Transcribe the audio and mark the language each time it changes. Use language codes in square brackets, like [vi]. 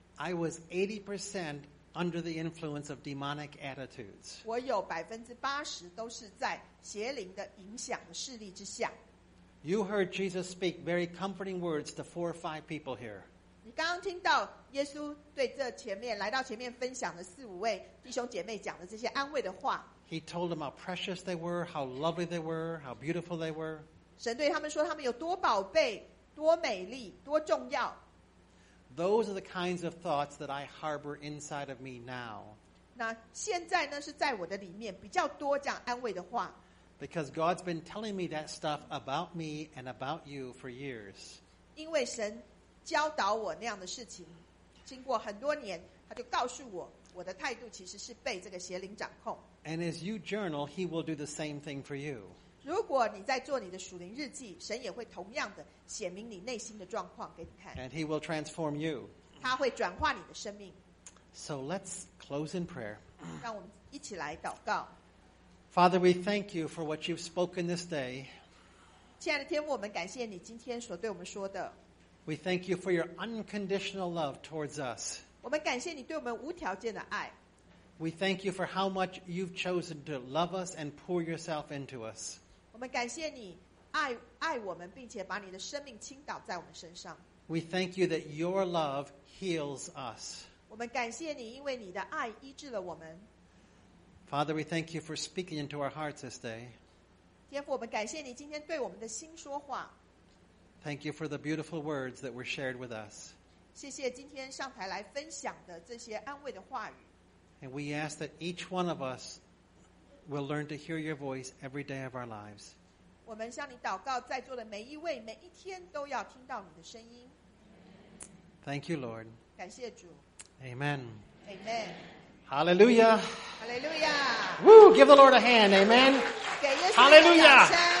[en] I was 80% under the influence of demonic attitudes. [zh] 我有80%都是在邪灵的影响的势力之下。 [en] You heard Jesus speak very comforting words to 4 or 5 people here. [zh] 你刚刚听到耶稣对这前面来到前面分享的四五位弟兄姐妹讲的这些安慰的话。 [en] He told them how precious they were, how lovely they were, how beautiful they were. [zh] 神对他们说他们有多宝贝、多美丽、多重要。 [en] Those are the kinds of thoughts that I harbor inside of me now. [zh] 那现在呢，是在我的里面比较多这样安慰的话。 [en] Because God's been telling me that stuff about me and about you for years. [zh] 因为神教导我那样的事情，经过很多年，他就告诉我，我的态度其实是被这个邪灵掌控。 [en] And as you journal, He will do the same thing for you. [zh] 如果你在做你的属灵日记，神也会同样的显明你内心的状况给你看。 [en] And He will transform you. [zh] 他会转化你的生命。 [en] So let's close in prayer. [zh] 让我们一起来祷告。 [en] Father, we thank you for what you've spoken this day. [zh] 亲爱的天父，我们感谢你今天所对我们说的。 [en] We thank you for your unconditional love towards us. [zh] 我们感谢你对我们无条件的爱。 [en] We thank you for how much you've chosen to love us and pour yourself into us. [zh] 我们感谢你爱我们，并且把你的生命倾倒在我们身上。 [en] We thank you that your love heals us. [zh] 我们感谢你，因为你的爱医治了我们。 [en] Father, we thank you for speaking into our hearts this day. [zh] 天父，我们感谢你今天对我们的心说话。 [en] Thank you for the beautiful words that were shared with us. [zh] 谢谢今天上台来分享的这些安慰的话语。 [en] And we ask that each one of us will learn to hear your voice every day of our lives. [zh] 我们向你祷告，在座的每一位，每一天都要听到你的声音。 [en] Thank you, Lord. [zh] 感谢主。 [en] Amen. Amen. Hallelujah. Hallelujah. Woo! Give the Lord a hand. Amen. [zh] 给耶稣 [en] Hallelujah. [zh] 掌声。